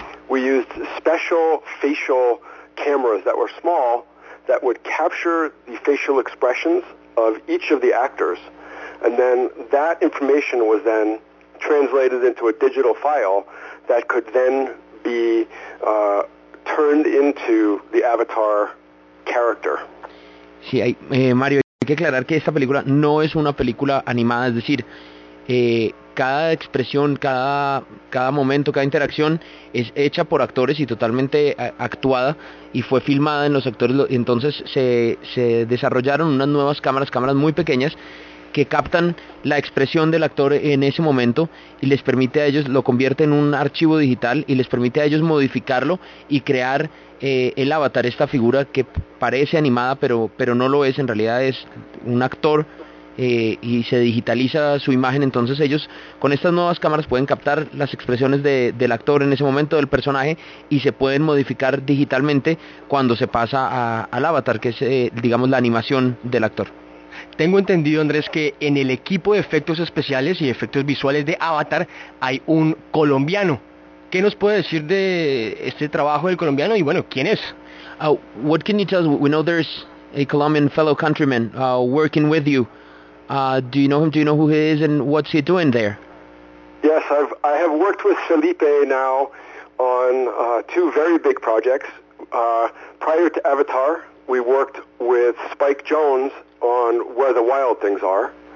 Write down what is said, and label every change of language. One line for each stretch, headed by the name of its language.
English: We used special facial cameras that were small that would capture the facial expressions of each of the actors, and then that information was then translated into a digital file that could then be turned into the Avatar character.
Spanish: Sí, Mario, hay que aclarar que esta película no es una película animada, es decir, cada expresión, cada momento, cada interacción es hecha por actores y totalmente actuada, y fue filmada en los actores. Entonces se desarrollaron unas nuevas cámaras muy pequeñas que captan la expresión del actor en ese momento y les permite a ellos, lo convierte en un archivo digital y les permite a ellos modificarlo y crear el avatar, esta figura que parece animada pero no lo es, en realidad es un actor. Y se digitaliza su imagen. Entonces ellos con estas nuevas cámaras pueden captar las expresiones del actor en ese momento, del personaje, y se pueden modificar digitalmente cuando se pasa al avatar, que es digamos la animación del actor. Tengo entendido, Andrés, que en el equipo de efectos especiales y efectos visuales de Avatar hay un colombiano. ¿Qué nos puede decir de este trabajo del colombiano? Y bueno, ¿quién es?
English: What can you tell us? We know there's a Colombian fellow countryman working with you. Do you know him? Do you know who he is, and what's he doing there? Yes, I have worked with Felipe now on two very big projects. Prior to Avatar, we worked with Spike Jones on Where the Wild Things Are.